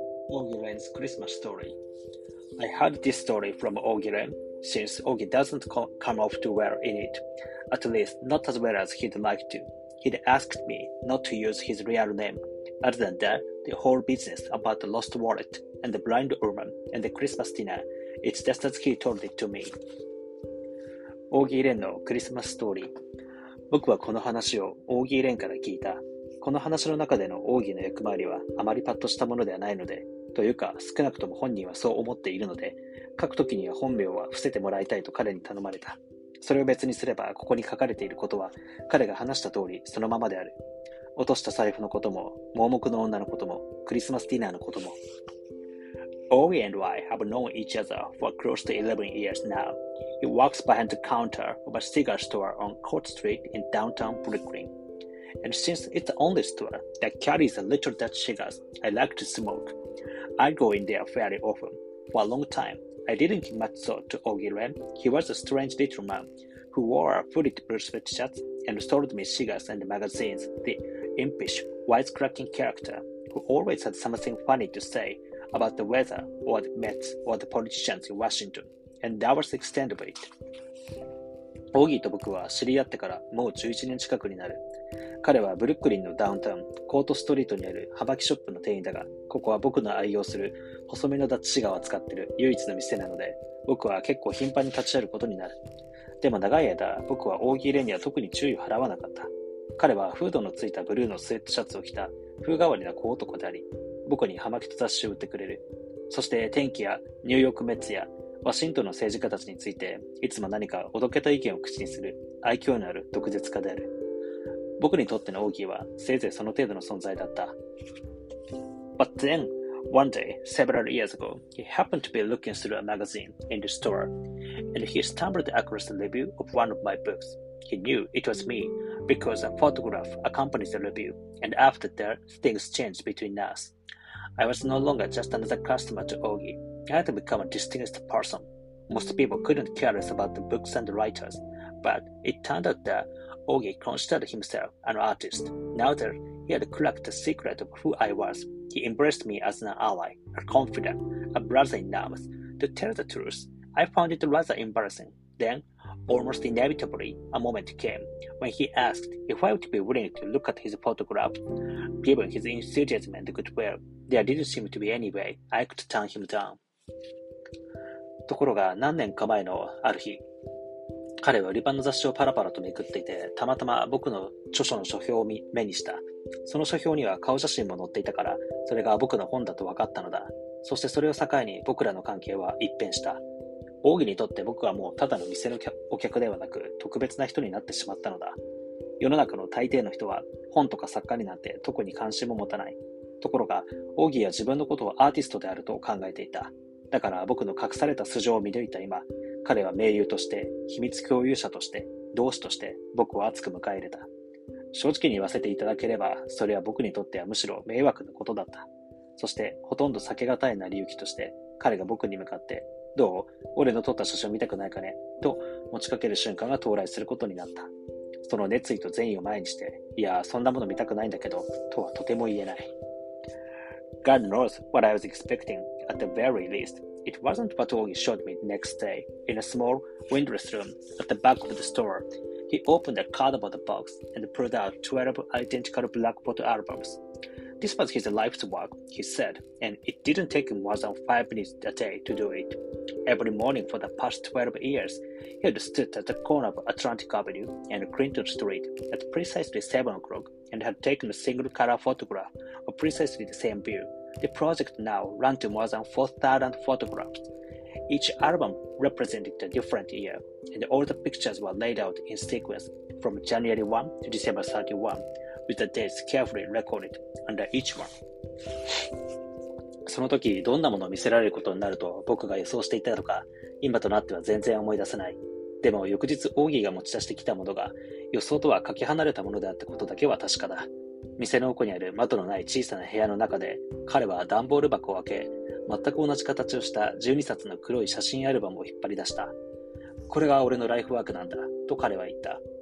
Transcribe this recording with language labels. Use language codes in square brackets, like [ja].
[en] Ogilen's Christmas story. I heard this story from Ogilen, since Ogi doesn't come off too well in it, at least not as well as he'd like to. He'd asked me not to use his real name. Other than that, the whole business about the lost wallet and the blind woman and the Christmas dinner, it's just as he told it to me. [ja] Ogilen のクリスマスストーリー。僕はこの話をオーギーレンから聞いた。この話の中でのオーギーの役回りはあまりパッとしたものではないので、というか少なくとも本人はそう思っているので、書くときには本名は伏せてもらいたいと彼に頼まれた。それを別にすればここに書かれていることは彼が話した通りそのままである。落とした財布のことも、盲目の女のことも、クリスマスディナーのことも。 [en] Ogi and I have known each other for close to 11 years now. He works behind the counter of a cigar store on Court Street in downtown Brooklyn. And since it's the only store that carries a little Dutch cigars I like to smoke, I go in there fairly often. For a long time, I didn't give much thought to Ogi Ren. He was a strange little man who wore a hooded blue sweatshirt and sold me cigars and magazines, the impish, wisecracking character who always had something funny to say about the weather, or the Mets, or the politicians in Washington, and that was the extent of it. [ja] オギーと僕は知り合ってからもう11年近くになる。彼はブルックリンのダウンタウン、コートストリートにあるハバキショップの店員だが、ここは僕の愛用する細身のダッチシガーを使ってる唯一の店なので、僕は結構頻繁に立ち寄ることになる。でも長い間、僕はオギーレンには特に注意を払わなかった。彼はフードのついたブルーのスウェットシャツを着た風変わりな小男であり、僕に葉巻と雑誌を売ってくれる。そして天気やニューヨークメッツやワシントンの政治家たちについていつも何かおどけた意見を口にする愛嬌のある毒舌家である。僕にとってのオーギーはせいぜいその程度の存在だった。 [en] But then, one day, several years ago, he happened to be looking through a magazine in the store, and he stumbled across the review of one of my books. He knew it was me because a photograph accompanies the review, and after that, things changed between us. I was no longer just another customer to Ogi. I had to become a distinguished person. Most people couldn't care less about the books and the writers, but it turned out that Ogi considered himself an artist. Now that he had cracked the secret of who I was, he embraced me as an ally, a confidant, a brother in arms. To tell the truth, I found it rather embarrassing. Then, almost inevitably, a moment came when he asked if I would be willing to look at his photograph. Given his enthusiasm and goodwill,There didn't seem to be any way I could turn him down. [ja] ところが何年か前のある日、彼は売り場の雑誌をパラパラとめくっていて、たまたま僕の著書の書評を目にした。その書評には顔写真も載っていたから、それが僕の本だと分かったのだ。そしてそれを境に僕らの関係は一変した。オーギにとって僕はもうただの店のお客ではなく、特別な人になってしまったのだ。世の中の大抵の人は本とか作家になんて特に関心も持たない。ところが、オギーは自分のことをアーティストであると考えていた。だから僕の隠された素性を見抜いた今、彼は名優として、秘密共有者として、同志として僕を熱く迎え入れた。正直に言わせていただければ、それは僕にとってはむしろ迷惑なことだった。そして、ほとんど避けがたい成り行きとして、彼が僕に向かって、どう？俺の撮った写真を見たくないかね？と持ちかける瞬間が到来することになった。その熱意と善意を前にして、いや、そんなもの見たくないんだけど、とはとても言えない。 [en] God knows what I was expecting, at the very least. It wasn't what Ogi showed me the next day, in a small, windowless room at the back of the store. He opened a cardboard box and pulled out 12 identical black photo albums. This was his life's work, he said, and it didn't take him more than 5 minutes a day to do it. Every morning for the past 12 years, he had stood at the corner of Atlantic Avenue and Clinton Street at precisely 7 o'clock. And had taken a single color photograph of precisely the same view. The project now ran to more than 4,000 photographs. Each album represented a different year, and all the pictures were laid out in sequence from January 1 to December 31, with the dates carefully recorded under each one. [ja] その時、どんなものを見せられることになると僕が予想していたのか、今となっては全然思い出せない。でも翌日オーギーが持ち出してきたものが予想とはかけ離れたものであったことだけは確かだ。店の奥にある窓のない小さな部屋の中で彼は段ボール箱を開け、全く同じ形をした12冊の黒い写真アルバムを引っ張り出した。これが俺のライフワークなんだと彼は言った。